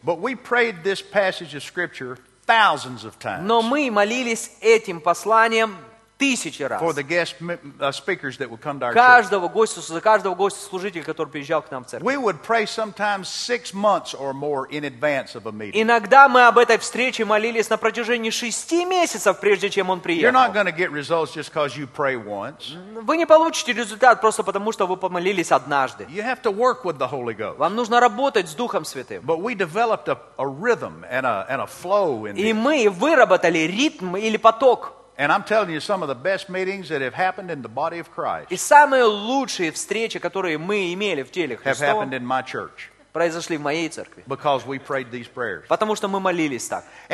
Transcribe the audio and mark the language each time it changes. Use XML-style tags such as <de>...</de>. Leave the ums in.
<ru>Но мы молились этим посланием тысячи раз.</ru> <en>For the guest, speakers that would come to our</en> <ru>каждого гостя, за каждого гостя служителя, который приезжал к нам в церковь.</ru> <en>We would pray sometimes six months or more in advance of a meeting.</en> <ru>Иногда мы об этой встрече молились на протяжении шести месяцев, прежде чем он приехал.</ru> <en>You're not going to get results just because you pray once.</en> <ru>Вы не получите результат просто потому, что вы помолились однажды.</ru> <en>You have to work with the Holy Ghost.</en> <ru>Вам нужно работать с Духом Святым.</ru> <en>But we developed a, a rhythm and a and a flow in.</en> <ru>И мы выработали ритм или поток.</ru> <en>And I'm telling you, some of the best meetings that have happened in the body of Christ встречи, have happened in my church.</en> <ru>произошли в моей церкви. Потому что мы молились так.</ru>